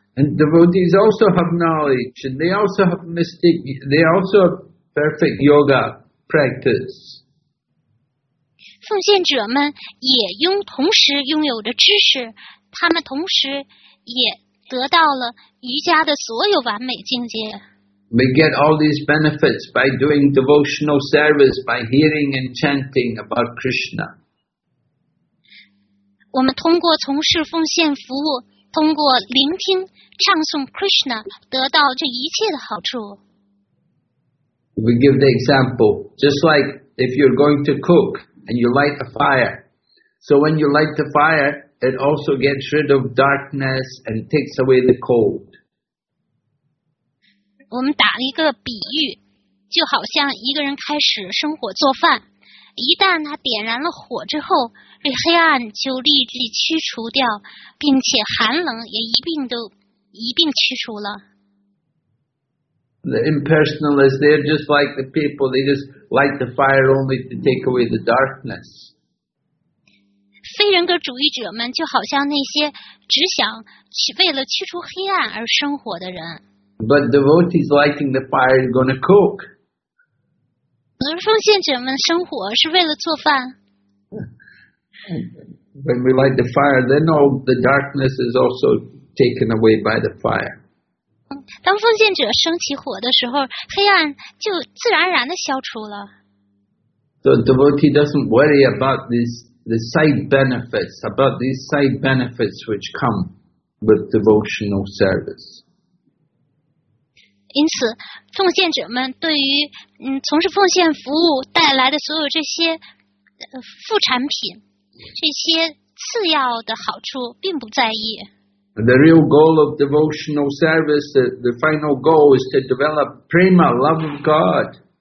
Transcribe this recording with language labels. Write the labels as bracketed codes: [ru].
[en] And devotees also have knowledge, and they also have mystic, they also have perfect yoga practice. [zh] 奉献者们也同时拥有着知识。他们同时也得到了瑜伽的所有完美境界。 [en] We get all these benefits by doing devotional service, by hearing and chanting about Krishna. [zh] 我们通过从事奉献服务，通过聆听、唱诵 Krishna, 得到这一切的好处。 [en] We give the example, just like if you're going to cook and you light a fire. So when you light the fire,It also gets rid of darkness and takes away the cold. [zh] 我们打一个比喻，就好像一个人开始生火做饭，一旦他点燃了火之后，这黑暗就立即驱除掉，并且寒冷也一并驱除了。 [en] The impersonalists, they're just like the people. They just light the fire only to take away the darkness. [zh] 非人格主义者们就好像那些只想去为了驱除黑暗而生活的人。 [en] But devotees lighting the fire is going to cook. [zh] 而奉献者们生火是为了做饭。 [en] When we light the fire, then all the darkness is also taken away by the fire. [zh] 当奉献者生起火的时候，黑暗就自然而然的消除了。 [en] So devotee doesn't worry about this. The side benefits, about these side benefits which come with devotional service. [zh] 因此奉献者们对于从事奉献服务带来的所有这些副产品，这些次要的好处并不在意。 [en] The real goal of devotional service, the final goal is to develop prema, love of God.